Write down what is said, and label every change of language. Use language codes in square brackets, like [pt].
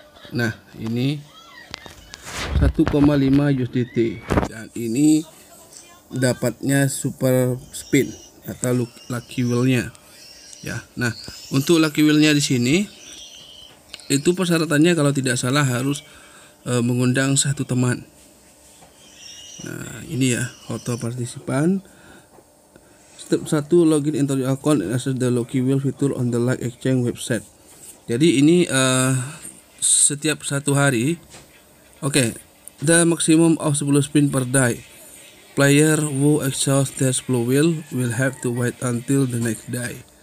[id] Nah, ini 1,5 USDT, dan ini dapatnya super spin atau lucky wheel-nya ya. Nah, untuk lucky wheel-nya di sini itu persyaratannya kalau tidak salah harus mengundang satu teman. Nah, ini ya auto partisipan. [en] Step 1, login into your account and access the lucky wheel feature on the Like Exchange website. [id] Jadi ini setiap satu hari. [en] Oke, okay, the maximum of 10 spin per day. Player who exhaust their 10 wheel will have to wait until the next day.